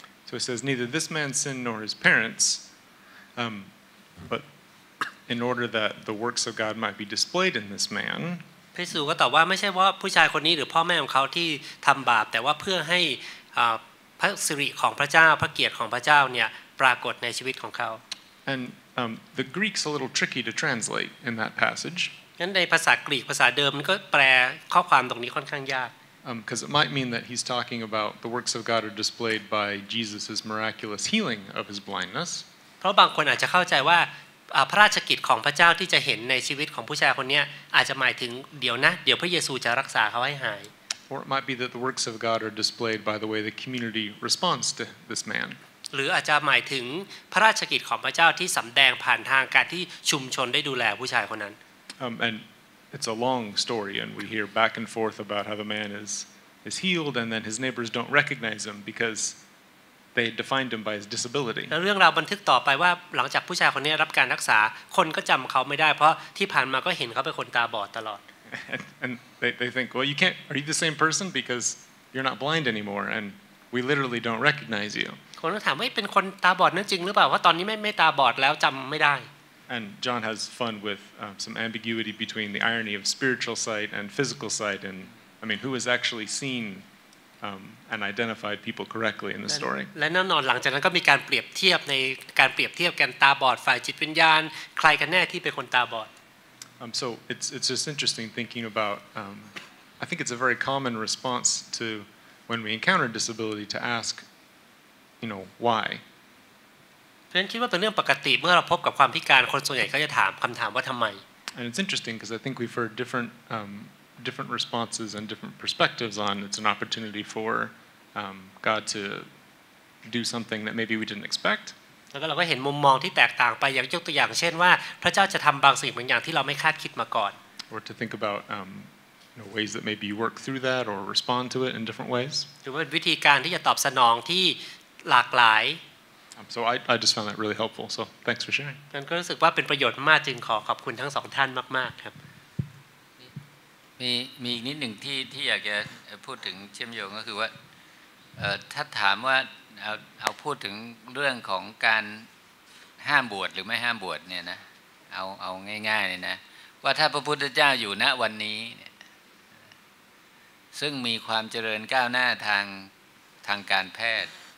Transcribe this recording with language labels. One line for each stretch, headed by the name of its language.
English: So it says neither this man sinned nor his parents but in order that the works of God might be displayed in this man
Thai: พระเยซูก็ตอบว่าไม่ใช่ว่าผู้ชายคนนี้หรือพ่อแม่ของเขาที่ทําบาปแต่ว่าเพื่อให้พระสิริของพระเจ้าพระเกียรติของพระเจ้าเนี่ยปรากฏในชีวิตของเขา
English: And the Greek's a little tricky to translate in that passage
Thai: งั้นในภาษากรีกภาษาเดิมมันก็แปลข้อความตรงนี้ค่อนข้างยาก
English: because it might mean that he's talking about the works of God are displayed by Jesus's miraculous healing of his blindness
Thai: เพราะบางคนอาจจะเข้าใจว่าพระราชกิจของพระเจ้าที่จะเห็นในชีวิตของผู้ชายคนนี้อาจจะหมายถึงเดี๋ยวนะเดี๋ยวพระเยซูจะรักษาเขาให้หาย
English: Or it might be that the works of God are displayed by the way the community responds to this man.
Thai: หรืออาจจะหมายถึงพระราชกิจของพระเจ้าที่สำแดงผ่านทางการที่ชุมชนได้ดูแลผู้ชายคนนั้น
English: And it's a long story, and we hear back and forth about how the man is healed, and then his neighbors don't recognize him because they had defined him by his disability.
Thai: แล้วเรื่องราวบันทึกต่อไปว่าหลังจากผู้ชายคนนี้รับการรักษาคนก็จําเขาไม่ได้เพราะที่ผ่านมาก็เห็นเขาเป็นคนตาบอดตลอด
English: And they think, well, you can't, are you the same person? Because you're not blind anymore, and we literally don't recognize you.
Thai: คนก็ถามว่าเป็นคนตาบอดนั่นจริงหรือเปล่าว่าตอนนี้ไม่ตาบอดแล้วจําไม่ได้
English: And John has fun with some ambiguity between the irony of spiritual sight and physical sight, and I mean, who has actually seen and identified people correctly in the story?
Thai: และแน่นอนหลังจากนั้นก็มีการเปรียบเทียบในการเปรียบเทียบกันตาบอดฝ่ายจิตวิญญาณใครกันแน่ที่เป็นคนตาบอด
English: So it's just interesting thinking about. I think it's a very common response to when we encounter disability to ask, you know, why.
Thai: เพื่อนคิดว่าเป็นเรื่องปกติเมื่อเราพบกับความพิการคนส่วนใหญ่เขาจะถามคำถามว่าทำไม
English: And it's interesting because I think we've heard different responses and different perspectives on it's an opportunity for God to do something that maybe we didn't expect
Thai: แล้วเราก็เห็นมุมมองที่แตกต่างไปอย่างยกตัวอย่างเช่นว่าพระเจ้าจะทำบางสิ่งบางอย่างที่เราไม่คาดคิดมาก่อน
English: Or to think about you know, ways that maybe you work through that or respond to it in different ways
Thai: หรือว่าวิธีการที่จะตอบสนองที่หลากหลาย
English: So I just found that really helpful. So thanks for sharing.
Thai: ฉันก็รู้สึกว่าเป็นประโยชน์มากจึงขอขอบคุณทั้งสองท่านมากมากครับ มีอีกนิดหนึ่งที่อยากจะพูดถึงเชื่อมโยงก็คือว่าถ้าถามว่าเอาพูดถึงเรื่องของการห้ามบวชหรือไม่ห้ามบวชเนี่ยนะเอาง่ายๆเลยนะว่าถ้าพระพุทธเจ้าอยู่ณวันนี้ซึ่งมีความเจริญก้าวหน้าทางการแพทย์